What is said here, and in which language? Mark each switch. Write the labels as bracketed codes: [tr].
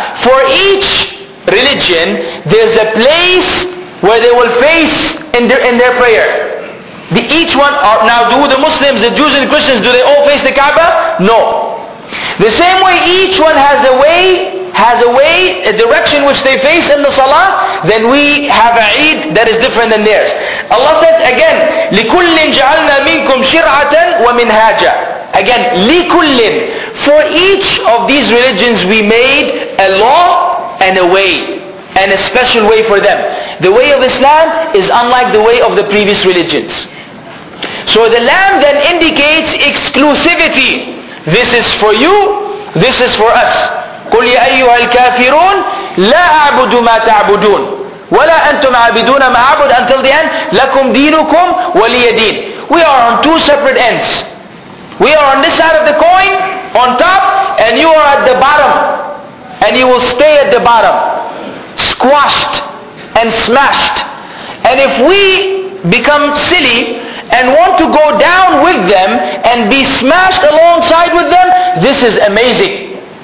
[en] For each religion, there's a place where they will face in their prayer. Do the Muslims, the Jews and the Christians, do they all face the Kaaba? No. The same way each one has a way, a direction which they face in the Salah, then we have a Eid that is different than theirs. Allah says again, [ar] لِكُلِّن جَعَلْنَا مِنْكُمْ شِرْعَةً وَمِنْهَاجًا. [en] Again, لِكُلِّن. For each of these religions we made a law and a way, and a special way for them. The way of Islam is unlike the way of the previous religions. So the lamb then indicates exclusivity. This is for you, this is for us. [ar] قُلْ يَا أَيُّهَا الْكَافِرُونَ لَا أَعْبُدُ مَا تَعْبُدُونَ وَلَا أَنْتُمْ عَابِدُونَ مَا أَعْبُدُ. [en] Until the end, [ar] لَكُمْ دِينُكُمْ وَلِيَ دِينَ. [en] We are on two separate ends. We are on this side of the coin, on top, and you are at the bottom. And you will stay at the bottom, squashed and smashed. And if we become silly and want to go down with them and be smashed alongside with them, this is amazing.